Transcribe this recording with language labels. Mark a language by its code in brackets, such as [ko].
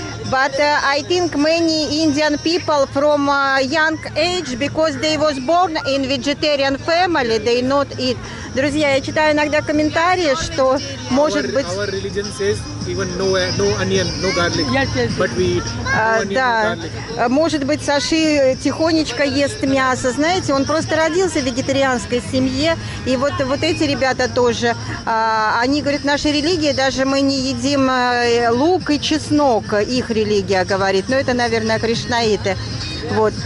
[en] But I think many Indian people from young age, because they was born in vegetarian family, they not eat. [ru] Друзья, я читаю иногда комментарии, что может быть... [en] Our religion says even no onion, no garlic, yes. But we eat no onion, [ru] да. [en] No garlic. [ru] Может быть, Саши тихонечко ест мясо, знаете, он просто родился в вегетарианской семье, и вот эти ребята тоже, они говорят, наша религия, даже мы не едим лук и чеснок, их религия говорит, но это, наверное, кришнаиты. Вот.